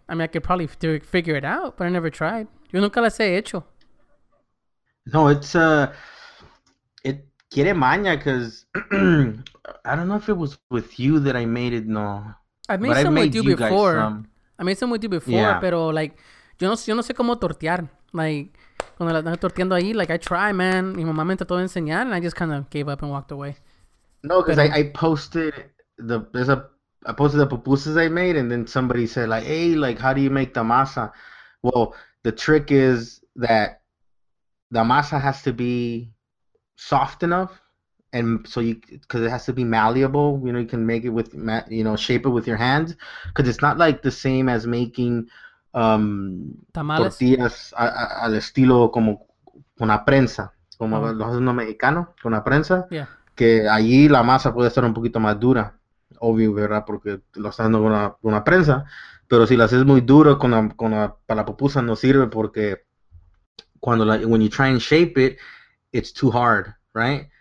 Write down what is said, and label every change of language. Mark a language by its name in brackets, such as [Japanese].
[English] I mean, I could probably figure it out, but I never tried. [Spanish] Yo nunca las he hecho. [English] No, it's, it [Spanish] quiere maña, [English] because I don't know if it was with you that I made it, no. I made some with you before, yeah. [Spanish] Pero like, yo no sé cómo tortear, like. Cuando la están torteando ahí, like, [English] I try, man. [Spanish] Mi mamá me trató de enseñar, [English] and I just kind of gave up and walked away. No, because I posted the pupusas I made, and then somebody said, like, hey, like, how do you make the masa? Well, the trick is that the masa has to be soft enough, and so you, because it has to be malleable, you know, you can make it with, you know, shape it with your hands, because it's not, like, the same as making tamales. [Spanish] Tortillas al estilo como una prensa, como los haciendo mexicano con una prensa, [English] yeah. [Spanish] Que allí la masa puede estar un poquito más dura, obvio, ¿verdad? Porque lo estás dando con una prensa, pero si la haces muy duro con la para la pupusa no sirve porque cuando la, [English] when you try and shape it, it's too hard, right?